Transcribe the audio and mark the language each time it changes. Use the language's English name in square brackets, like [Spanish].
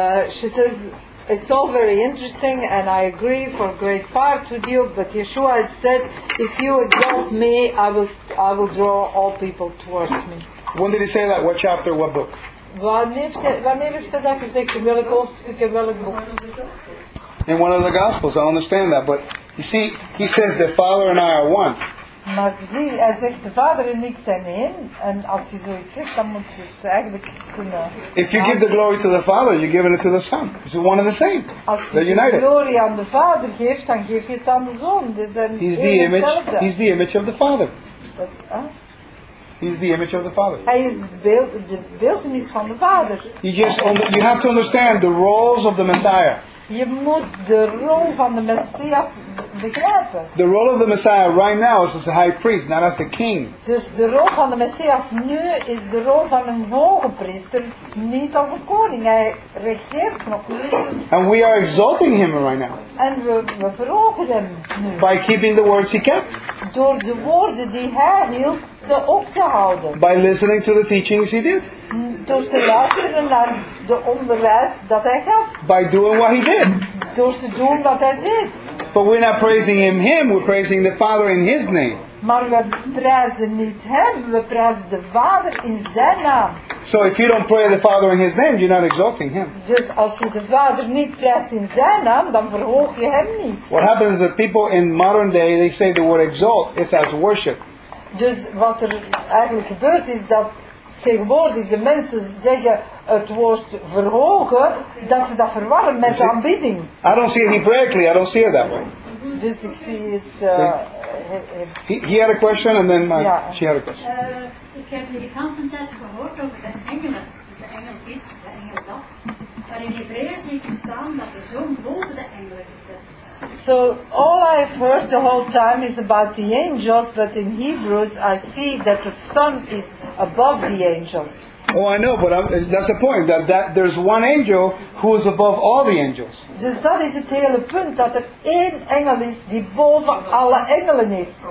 [English] She says it's all very interesting, and I agree for a great part with you. But Yeshua has said, "If you exalt me, I will draw all people towards me." When did he say that? What chapter? What book? [Dutch] Wanneer heeft hij dat gezegd? Welk hoofdstuk en welk boek? [English] In one of the Gospels. I understand that, but you see, he says the Father and I are one. [Dutch] Maar zie, hij zegt de Vader en ik zijn één. En als je zoiets zegt, dan moet je het eigenlijk kunnen. [English] If you give the glory to the Father, you're giving it to the Son. It's one and the same. [Dutch] Als je de glorie aan de Vader geeft, dan geef je het aan de Zoon. Dus [English] zijn he's the image. He's the image of the Father. He's the image of the Father. [Dutch] Hij is de beeldenis van de Vader. [English] You have to understand the roles of the Messiah. [Dutch] Je moet de rol van de Messias begrijpen. [English] The role of the Messiah right now is as a high priest, not as the king. [Dutch] Dus de rol van de Messias nu is de rol van een hoge priester, niet als een koning. Hij regeert nog niet. [English] And we are exalting him right now. [Dutch] En we verhogen hem nu. [English] By keeping the words he kept. [Dutch] Door de woorden die hij hield. [English] By listening to the teachings he did. [Dutch] Door te luisteren naar de onderwijs dat hij gaf. [English] By doing what he did. [Dutch] Door te doen wat hij deed. [English] But we're not praising him, we're praising the Father in his name. [Dutch] Maar we prijzen niet hem, we prijzen de Vader in zijn naam. [English] So if you don't pray the Father in his name, you're not exalting him. [Dutch] Dus als je de Vader niet prijst in zijn naam, dan verhoog je hem niet. [English] What happens is that people in modern day, they say the word exalt is as worship. [Dutch] Dus wat er eigenlijk gebeurt is dat tegenwoordig de mensen zeggen het woord verhogen, dat ze dat verwarren met de aanbidding. [English] I don't see it Hebraically, I don't see it that way. [Dutch] Dus ik zie het... [English] He had a question and then she had a question. [Dutch] Ik heb in de ganse tijd gehoord over de engelen, dus de engel dit, de engel dat. Maar in Hebraïe zie ik staan dat de zoon boven de engelen gezet. [English] So all I've heard the whole time is about the angels, but in Hebrews I see that the Son is above the angels. Oh, I know, but that's the point, that there's one angel who is above all the angels. [Dutch] Dus dat is het hele punt, dat er één engel is die boven alle engelen is.